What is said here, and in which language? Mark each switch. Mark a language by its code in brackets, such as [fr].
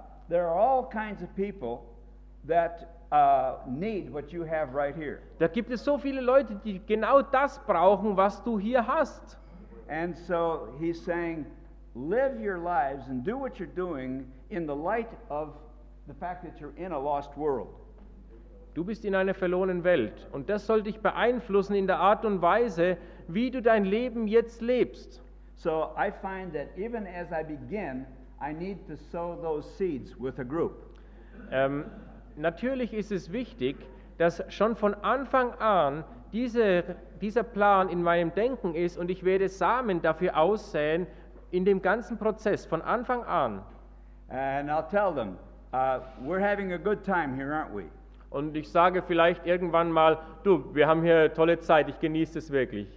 [en] There are all kinds of people that need what you have right here. [de] Da gibt es so viele Leute, die genau das brauchen, was du hier hast. [en] And so he's saying, live your lives and do what you're doing in the light of the fact that you're in a lost world. [de] Du bist in einer verlorenen Welt und das soll dich beeinflussen in der Art und Weise, wie du dein Leben jetzt lebst. [en] So I find that even as I begin, I need to sow those seeds with a group. [de] Natürlich ist es wichtig, dass schon von Anfang an dieser Plan in meinem Denken ist und ich werde Samen dafür aussäen in dem ganzen Prozess von Anfang an. [en] And I'll tell them, we're having a good time here, aren't we? [de] Und ich sage vielleicht irgendwann mal, du, wir haben hier eine tolle Zeit, ich genieße es wirklich.